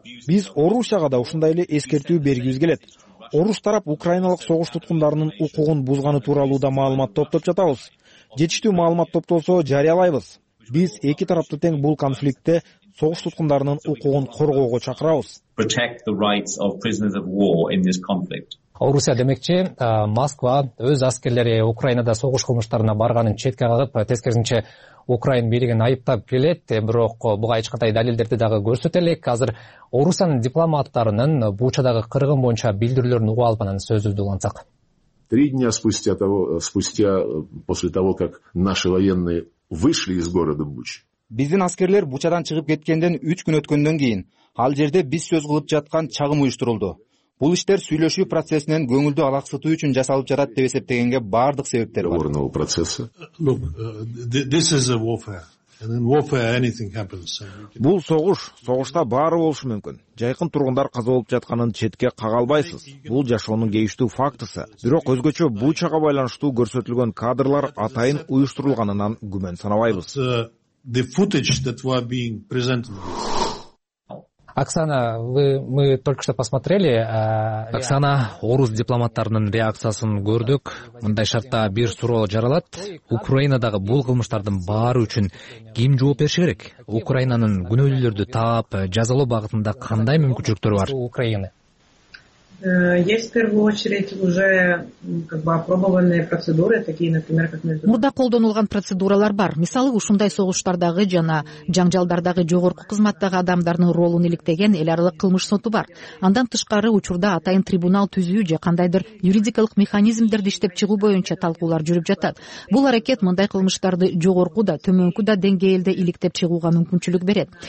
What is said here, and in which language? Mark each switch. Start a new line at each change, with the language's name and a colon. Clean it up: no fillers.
Kyrgyz: Биз Орусияга да ушундай эле эскертүү бергибиз келет. Орус тарап украиналык согуш туткундарынын укугун бузганы тууралуу да маалымат топтоп жатабыз. Жетиштүү маалымат топтолсо жарыялайбыз. Биз эки тарапты тең бул конфликтте согуш туткундарынын укугун коргоого чакырабыз.
English: Protect the rights of prisoners of war in this conflict.
Kyrgyz: Орусия демекчи, Москва өз аскерлери Украинада согуш кылмыштарына барганын четке кагып, тескерисинче Украин бийлигин айыптап келет, бирок буга эч кандай далилдерди дагы көрсөтө элек. Азыр Орусиянын дипломаттарынын Бучадагы кыргын боюнча билдирүүлөрүн угуп алганын сөзүбүздү улантсак.
Russian: 3 дня спустя после того, как наши военные вышли из города Буч.
Kyrgyz: Биздин аскерлер Бучадан чыгып кеткенден 3 күн өткөндөн кийин ал жерде биз сөз кылып жаткан чагым уюштурулду. Бул иштер сүйлөшүү процессинен көңүлдү алаксытуу үчүн жасалып жатат деп эсептегенге бардык себептер бар. Орнолу процессе.
English: Look, this is a warfare. And in warfare anything happens.
Kyrgyz: Бул согуш, согушта баары болушу мүмкүн. Жайкын тургундар каза болуп жатканын четке кага албайсыз. Бул жашоонун кейиштүү фактысы. Бирок өзгөчө Бучага байланыштуу көрсөтүлгөн кадрлар атайын уюштурулганынан күмөн санабайбыз.
English: The footage that were being presented.
Russian: Оксана, мы только что посмотрели.
Kyrgyz: Оксана, орус дипломаттарынын реакциясын көрдүк. Мындай шартта бир суроо жаралат. Украинадагы бул кылмыштардын баары үчүн ким жооп бериши керек? Украинанын күнөөлүүлөрдү таап, жазалоо багытында кандай мүмкүнчүлүктөр бар? Украина.
Russian: Есть в первую очередь уже опробованные процедуры, такие, например, как между...
Kyrgyz: Мурда колдонулган процедуралар бар. Мисалы, ушундай согуштардагы жана жаңжалдардагы жогорку кызматтагы адамдардын ролун иликтеген эл аралык кылмыш соту бар. Андан тышкары учурда атайын трибунал түзүү же кандайдыр юридикалык механизмдерди иштеп чыгуу боюнча талкуулар жүрүп жатат. Бул аракет мындай кылмыштарды жогорку да, төмөнкү да деңгээлде иликтеп чыгууга мүмкүнчүлүк берет.